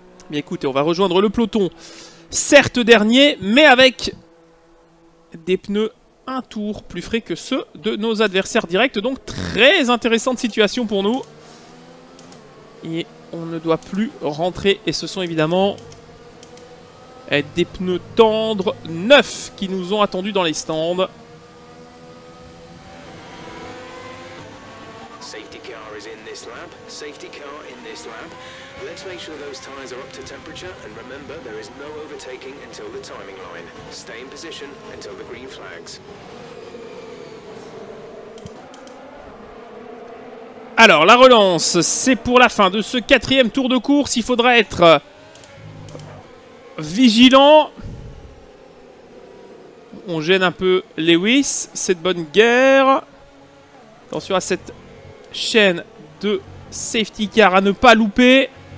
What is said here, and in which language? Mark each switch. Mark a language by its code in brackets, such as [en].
[fr] Mais écoutez, on va rejoindre le peloton, certes dernier, mais avec des pneus un tour plus frais que ceux de nos adversaires directs. Donc très intéressante situation pour nous. Et on ne doit plus rentrer. Et ce sont évidemment des pneus tendres neufs qui nous ont attendus dans les stands. [en] Safety car is in this lap. Safety car in this lap. Let's make sure those tires are up to temperature and remember there is no overtaking until the timing line. Stay in position until the green flags. [fr] Alors la relance, c'est pour la fin de ce quatrième tour de course. Il faudra être vigilant. On gêne un peu Lewis, cette bonne guerre. Attention à cette chaîne de safety car à ne pas louper.